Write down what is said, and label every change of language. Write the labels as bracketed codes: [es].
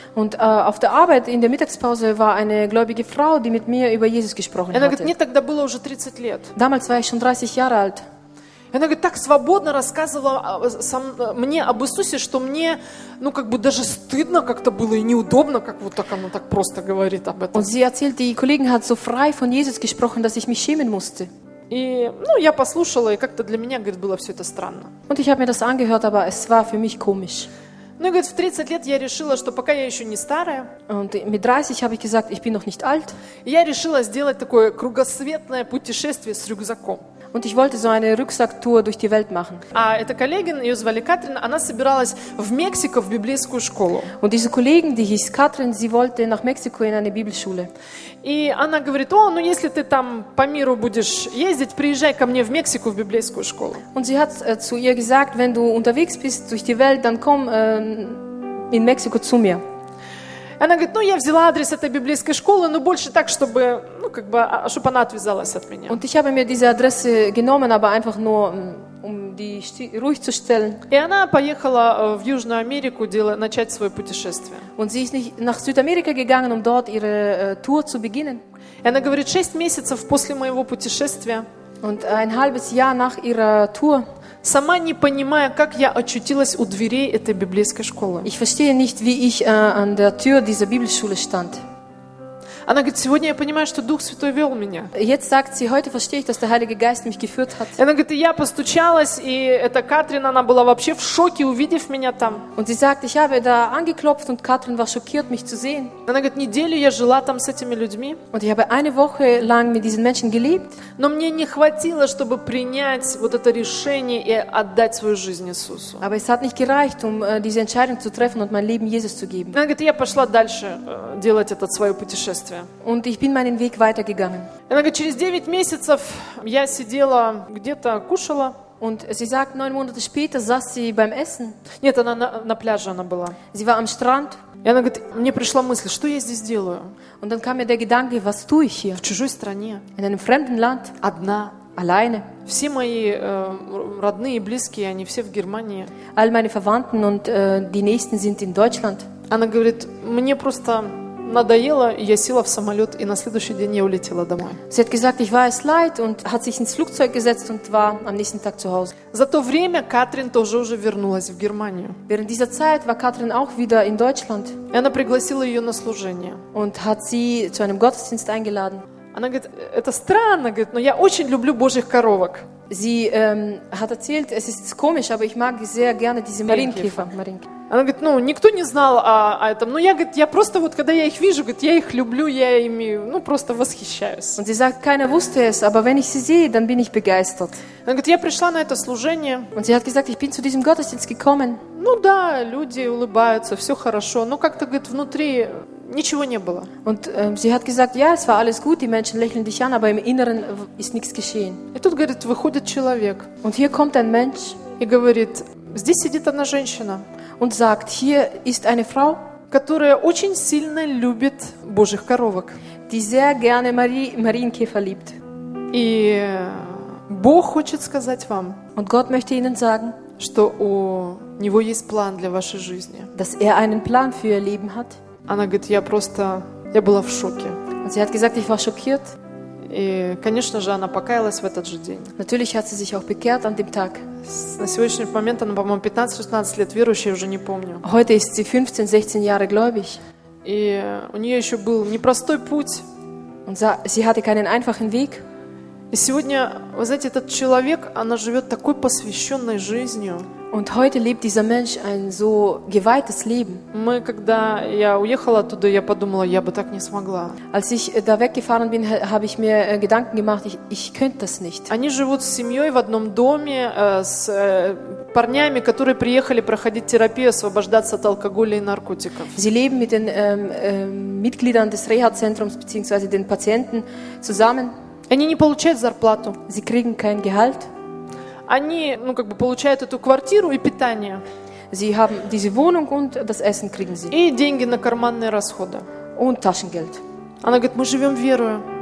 [de] Und auf der Arbeit in der Mittagspause war eine gläubige Frau, die mit mir über Jesus gesprochen hat. [ru] Она говорит: мне тогда было уже 30 лет. [de] Damals war ich schon 30 Jahre alt. [ru] Она говорит: так свободно рассказывала мне об Иисусе, что мне, ну как бы даже стыдно как-то было и неудобно, как вот так она так просто говорит об этом. [de] Und sie erzählt, die Kollegin hat so frei von Jesus gesprochen, dass ich mich schämen musste. [ru] И, ну, я послушала, и как-то для меня, говорит, было все это странно. [de] Und ich habe mir das angehört, aber es war für mich komisch. [ru] Ну, говорит, в 30 лет я решила, что пока я еще не старая. [de] Und mit 30 habe ich gesagt, ich bin noch nicht alt. [ru] Я решила сделать такое кругосветное путешествие с рюкзаком. [de] Und ich wollte so eine Rucksacktour durch die Welt machen. [ru] А эта Kollegin, ее звали Катрин, она собиралась в Мексику в библейскую школу. [de] Und diese Kollegin, die hieß Katrin, sie wollte nach Mexiko in eine Bibelschule. [ru] И она говорит: "О, ну если ты там по миру будешь ездить, приезжай ко мне в Мексику в библейскую школу." [de] Und sie hat zu ihr gesagt, wenn du unterwegs bist durch die Welt, dann komm in Mexiko zu mir. [ru] Она говорит: "Ну я взяла адрес этой библейской школы, но больше так, чтобы, ну как бы, чтобы она отвязалась от меня." [de] Und ich habe mir diese Adresse genommen, aber einfach nur um die ruhig zu stellen. [ru] И она поехала в Южную Америку начать свое путешествие. [de] Und sie ist nach Südamerika gegangen, um dort ihre Tour zu beginnen. [ru] И она говорит: "6 месяцев после моего путешествия." [de] Und ein halbes Jahr nach ihrer Tour. [ru] Сама не понимая, как я очутилась у дверей этой библейской школы. [de] Ich verstehe nicht, wie ich an der Tür dieser Bibelschule stand. [ru] Она говорит: "Сегодня я понимаю, что Дух Святой вел меня." [de] Jetzt sagt sie: "Heute verstehe ich, dass der Heilige Geist mich geführt hat." [ru] Она говорит: "Я постучалась, и эта Катрин, она была вообще в шоке, увидев меня там." [de] Und sie sagt: "Ich habe da angeklopft und Katrin war schockiert, mich zu sehen." [ru] Она говорит: "Неделю я жила там с этими людьми." [de] Und ich habe eine Woche lang mit diesen Menschen gelebt. [ru] Но мне не хватило, чтобы принять вот это решение и отдать свою жизнь Иисусу. [de] Aber es hat nicht gereicht, um diese Entscheidung zu treffen und mein Leben Jesus zu geben. [ru] Она говорит: "Я пошла дальше делать это свое путешествие." [de] Und ich bin meinen Weg weitergegangen. [ru] Она говорит: "Через 9 месяцев я сидела где-то, кушала." [de] Und sie sagt, 9 Monate später saß sie beim Essen. [ru] Нет, она на пляже она была. [de] Sie war am Strand. [ru] И она говорит: "Мне пришла мысль, что я здесь делаю?" [de] Und dann kam mir der Gedanke, was tue ich hier? [ru] В чужой стране. [de] In einem fremden Land. [ru] Одна. [de] Alleine. [ru] Все мои родные и близкие, они все в Германии. [de] All meine Verwandten und die Nächsten sind in Deutschland. [ru] Она говорит: "Мне просто надоело, я села в самолет и на следующий день я улетела домой." [de] Sie hat gesagt, ich war es leid und hat sich ins Flugzeug gesetzt und war am nächsten Tag zu Hause. [ru] За то время Катрин тоже уже вернулась в Германию. [de] Während dieser Zeit war Katrin auch wieder in Deutschland. [ru] И она пригласила ее на служение. [de] Und hat sie zu einem Gottesdienst eingeladen. [ru] Она говорит: "Это странно, говорит, но я очень люблю Божьих коровок." [de] Sie hat erzählt, es ist komisch, aber ich mag sehr gerne diese Marienkäfer. [ru] Она говорит: "Ну, никто не знал о этом, но я, говорит, я просто вот, когда я их вижу, говорит, я их люблю, я ими, ну, просто восхищаюсь." [de] Und sie sagt, keiner wusste es, aber wenn ich sie sehe, dann bin ich begeistert. [ru] Она говорит: "Я пришла на это служение." [de] Und sie hat gesagt, ich bin zu diesem Gottesdienst gekommen. [ru] Ну да, люди улыбаются, все хорошо, но как-то, говорит, внутри ничего не было. [de] Und sie hat gesagt, ja, es war alles gut, die Menschen lächeln dich an, aber im Inneren ist nichts geschehen. [ru] И тут, говорит, выходит человек. [de] Und hier kommt ein Mensch. [ru] И говорит: "Здесь сидит одна женщина." [de] Und sagt, hier ist eine Frau, [ru] которая очень сильно любит Божьих коровок, [de] die sehr gerne Marienkäfer liebt. [ru] И Бог хочет сказать вам, [de] und Gott möchte Ihnen sagen, [ru] что у него есть план для вашей жизни, [de] dass er einen Plan für ihr Leben hat. [ru] Она говорит: "Я просто, я была в шоке." [de] Und sie hat gesagt, ich war schockiert. [ru] И, конечно же, она покаялась в этот же день. [de] Natürlich hat sie sich auch bekehrt an dem Tag. [ru] На сегодняшний момент она, по-моему, 15-16 лет верующая, уже не помню. [de] Heute ist sie 15-16 Jahre gläubig. [ru] И у нее еще был непростой путь. [de] Und sie hatte keinen einfachen Weg. [ru] И сегодня, вы знаете, этот человек, она живет такой посвященной жизнью. [de] Und heute lebt dieser Mensch ein so geweihtes Leben. [ru] Мы, когда я уехала оттуда, я подумала, я бы так не смогла. [de] Als ich da weggefahren bin, habe ich mir Gedanken gemacht, ich könnte das nicht. [ru] Они живут с семьей в одном доме, с парнями, которые приехали проходить терапию, освобождаться от алкоголя и наркотиков. [de] Sie leben mit den Mitgliedern des Reha-Zentrums bzw. den Patienten zusammen. [ru] Они не получают зарплату. [de] Sie kriegen kein Gehalt. [ru] Они, ну как бы, получают эту квартиру и питание. [de] Sie haben diese Wohnung und das Essen kriegen sie. [ru] И деньги на карманные расходы. [de] Und Taschengeld. [ru] Она говорит: "Мы живем верою."